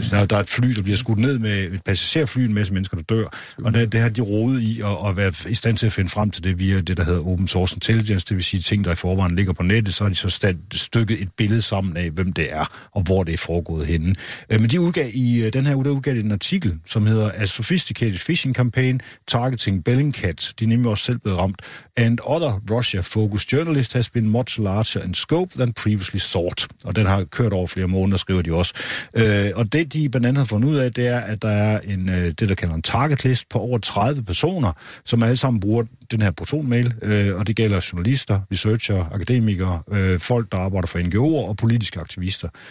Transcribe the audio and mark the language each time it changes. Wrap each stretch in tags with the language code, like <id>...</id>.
<da>Der er et fly, der bliver skudt ned med et passagerfly, en masse mennesker, der dør. Og det har de rodet i at være i stand til at finde frem til det via det, der hedder open source intelligence, det vil sige ting, der i forvejen ligger på nettet, så har de så stykket et billede sammen af, hvem det er, og hvor det er foregået henne. Men de udgav i den her uge, udgav en artikel, som hedder</da> <en>A Sophisticated Phishing Campaign Targeting Bellingcat.</en> <da>De er nemlig også selv blevet ramt.</da> <en>And other Russia-focused journalists has been much larger in scope than previously thought.</en> <da>Og den har kørt over flere måneder, skriver de også. Og det, de blandt andet har fundet ud af, det er, at der er en, det, der kalder en target list på over 30 personer, som alle sammen bruger den her protonmail, og det gælder journalister, researcher, akademikere, folk, der arbejder for NGO'er og politiske aktivister.</da>